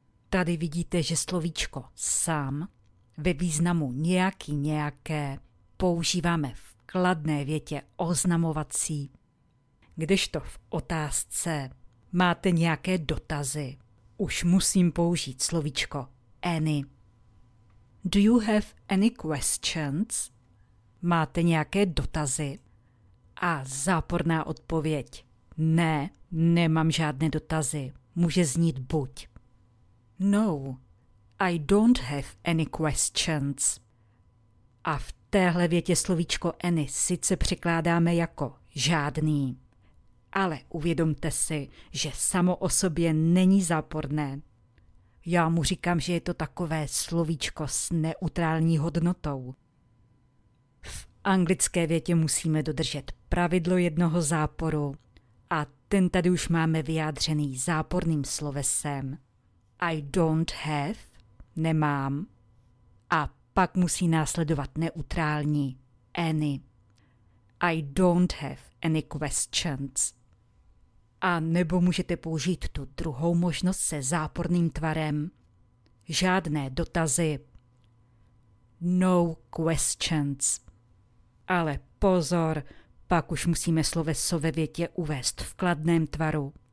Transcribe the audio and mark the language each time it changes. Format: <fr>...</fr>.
<cs>Tady vidíte, že slovíčko sam ve významu nějaké používáme v kladné větě oznamovací. Kdežto v otázce máte nějaké dotazy, už musím použít slovíčko any.</cs> <en>Do you have any questions?</en> <cs>Máte nějaké dotazy? A záporná odpověď. Ne, nemám žádné dotazy. Může znít buď.</cs> <en>No, I don't have any questions.</en> <cs>A v téhle větě slovíčko any sice překládáme jako žádný. Ale uvědomte si, že samo o sobě není záporné. Já mu říkám, že je to takové slovíčko s neutrální hodnotou. V anglické větě musíme dodržet pravidlo jednoho záporu. A ten tady už máme vyjádřený záporným slovesem.</cs> <en>I don't have,</en> <cs>nemám. A pak musí následovat neutrální, any.</cs> <en>I don't have any questions.</en> <cs>A nebo můžete použít tu druhou možnost se záporným tvarem. Žádné dotazy.</cs> <en>No questions.</en> <cs>Ale pozor, pak už musíme sloveso ve větě uvést v kladném tvaru.</cs>